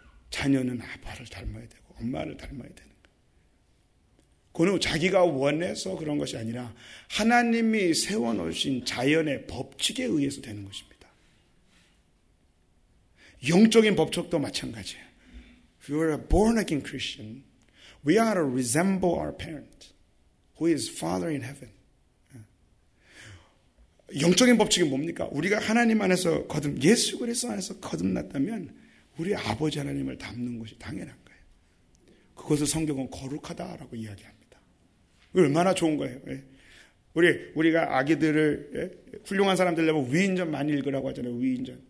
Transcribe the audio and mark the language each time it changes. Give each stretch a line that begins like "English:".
Korean: 자녀는 아빠를 닮아야 되고 엄마를 닮아야 되는 거예요. 그는 자기가 원해서 그런 것이 아니라 하나님이 세워놓으신 자연의 법칙에 의해서 되는 것입니다. 영적인 법칙도 마찬가지예요.
English: We are a born again Christian. We are to resemble our parent who is Father in heaven.
Korean: 영적인 법칙이 뭡니까? 우리가 하나님 안에서 거듭, 예수 그리스도 안에서 거듭났다면 우리 아버지 하나님을 닮는 것이 당연한 거예요. 그것을 성경은 거룩하다라고 이야기합니다. 얼마나 좋은 거예요. 우리가 아기들을 훌륭한 사람 되려면 위인전 많이 읽으라고 하잖아요. 위인전.